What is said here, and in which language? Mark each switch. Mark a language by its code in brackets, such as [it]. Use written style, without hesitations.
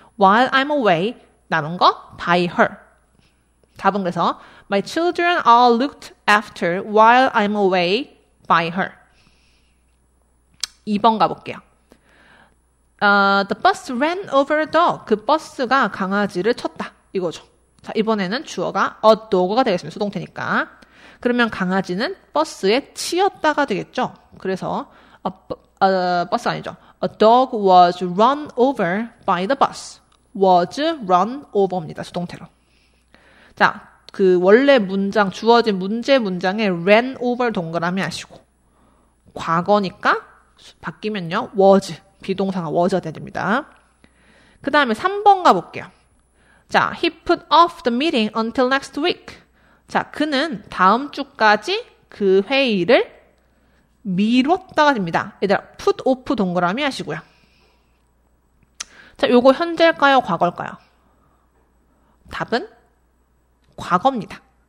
[en] While I'm away [ko] 남은 거 [en] by her. [ko] 답은 그래서 [en] My children are looked after while I'm away by her. [ko] 2번 가볼게요. [en] The bus ran over a dog. [ko] 그 버스가 강아지를 쳤다. 이거죠. 자, 이번에는 주어가 a dog가 되겠습니다. 수동태니까. 그러면 강아지는 버스에 치였다가 되겠죠. 그래서 버스 아니죠. [en] A dog was run over by the bus. Was run over입니다. [ko] 수동태로. 자, 그 원래 문장, 주어진 문제 문장에 ran over 동그라미 하시고 과거니까 바뀌면요. was, 비동사가 was가 돼야 됩니다. 그 다음에 3번 가볼게요. [en] 자, he put off the meeting until next week. [ko] 자, 그는 다음 주까지 그 회의를 미뤘다가 됩니다. 얘들아, put off 동그라미 하시고요. 자, 요거 현재일까요? 과거일까요? 답은 과거입니다.